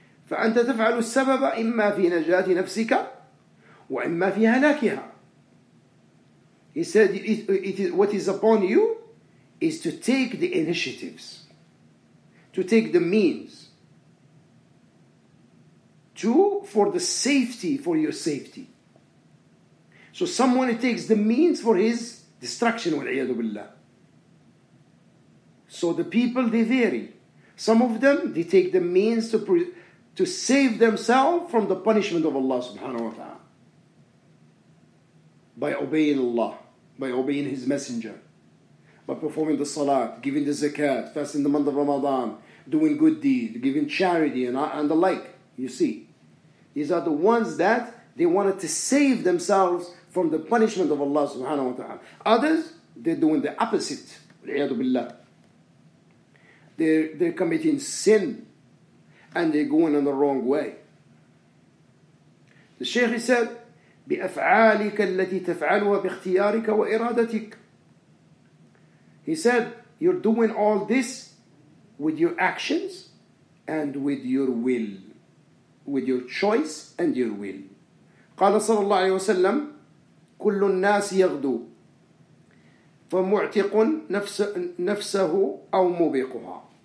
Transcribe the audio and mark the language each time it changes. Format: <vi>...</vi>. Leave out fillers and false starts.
<ar>فأنت تفعل السبب إما في نجاة نفسك وإما في هلاكها.</ar> <en>He said, what is upon you is to take the initiatives, to take the means, for your safety. So someone takes the means for his destruction,</en> <ar>wal-iyadu billah.</ar> <en>So the people, they vary. Some of them, they take the means to save themselves from the punishment of Allah subhanahu wa ta'ala. By obeying Allah, by obeying his messenger, by performing the salat, giving the zakat, fasting the month of Ramadan, doing good deeds, giving charity and the like. You see, these are the ones that they wanted to save themselves from the punishment of Allah subhanahu wa ta'ala. Others, they're doing the opposite.</en> <ar>وَالْعِيَادُ بِاللَّهِ.</ar> <en>They're committing sin and they're going in the wrong way. The Sheikh said,</en> <ar>بأفعالك التي تفعلها باختيارك وإرادتك.</ar> <en>He said, you're doing all this with your actions and with your will, with your choice and your will.</en> <ar>قال صلى الله عليه وسلم, كل الناس يغدو فمعتق نفسه أو مبقها.</ar>